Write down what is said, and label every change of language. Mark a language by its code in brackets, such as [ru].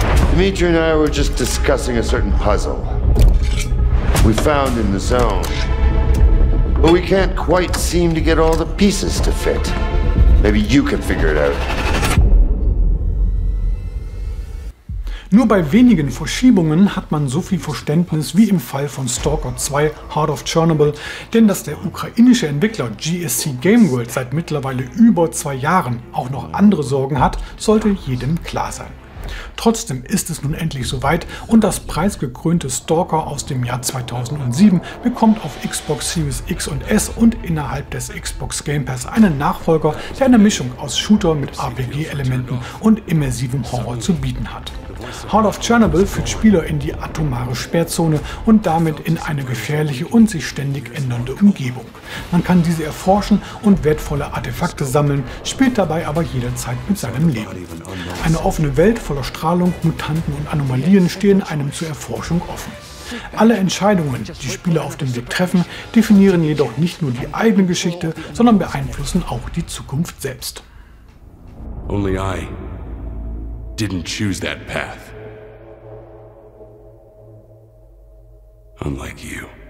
[en] Dimitri and I were just discussing a certain puzzle we found in the zone. But we can't quite seem to get all the pieces to fit. Maybe you can figure it out. [de] Nur bei wenigen Verschiebungen hat man so viel Verständnis wie im Fall von Stalker 2 Heart of Chernobyl, denn dass der ukrainische Entwickler GSC Gameworld seit mittlerweile über 2 Jahren auch noch andere Sorgen hat, sollte jedem klar sein. Trotzdem ist es nun endlich soweit und das preisgekrönte Stalker aus dem Jahr 2007 bekommt auf Xbox Series X und S und innerhalb des Xbox Game Pass einen Nachfolger, der eine Mischung aus Shooter mit RPG-Elementen und immersivem Horror zu bieten hat. Heart of Chernobyl führt Spieler in die atomare Sperrzone und damit in eine gefährliche und sich ständig ändernde Umgebung. Man kann diese erforschen und wertvolle Artefakte sammeln, spielt dabei aber jederzeit mit seinem Leben. Eine offene Welt voller Strahlung, Mutanten und Anomalien stehen einem zur Erforschung offen. Alle Entscheidungen, die Spieler auf dem Weg treffen, definieren jedoch nicht nur die eigene Geschichte, sondern beeinflussen auch die Zukunft selbst. [en] Only I didn't choose that path. Unlike you.